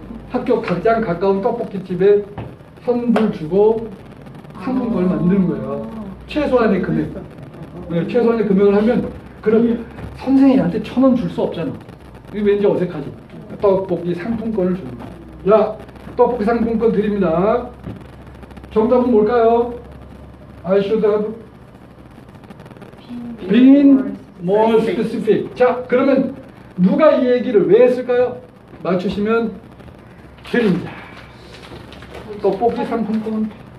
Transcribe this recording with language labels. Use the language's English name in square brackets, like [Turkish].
[Korean] 학교 가장 가까운 떡볶이 집에 선물 주고 상품권을 만드는 거예요. 최소한의 금액. 네, 최소한의 금액을 하면, 그럼 선생님한테 1,000원 줄 수 없잖아. 이게 왠지 어색하지. 떡볶이 상품권을 주는 거예요. 야, 떡볶이 상품권 드립니다. 정답은 뭘까요? [English] I should have been more specific. [Korean] 자, 그러면 누가 이 얘기를 왜 했을까요? 맞추시면 드립니다. 떡볶이 상품권.